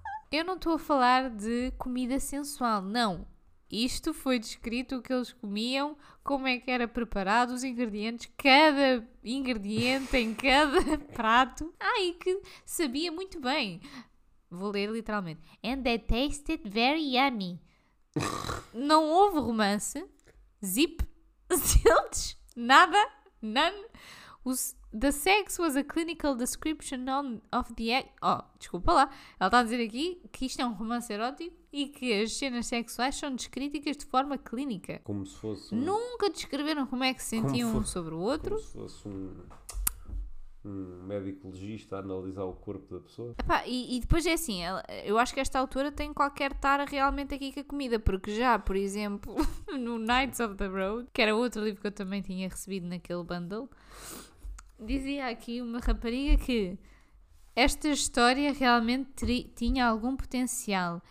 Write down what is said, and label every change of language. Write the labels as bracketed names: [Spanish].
[Portuguese] Eu não estou a falar de comida sensual, não. Isto foi descrito, o que eles comiam, como é que era preparado, os ingredientes, cada ingrediente em cada prato. Ai, que sabia muito bem. Vou ler literalmente. [English] And they tasted very yummy. [Portuguese] Não houve romance. [English] Zip. Zilch. Nada. None. The sex was a clinical description of the act. [Portuguese] Oh, desculpa lá. Ela está a dizer aqui que isto é um romance erótico e que as cenas sexuais são descritas de forma clínica. Como se fosse. Nunca descreveram como é que se sentiam um sobre o outro. Como se fosse um médico legista a analisar o corpo da pessoa. Epá, e depois é assim, eu acho que esta autora tem qualquer tara realmente aqui com a comida, porque já, por exemplo, no Knights of the Road, que era outro livro que eu também tinha recebido naquele bundle, dizia aqui uma rapariga que esta história realmente tinha algum potencial.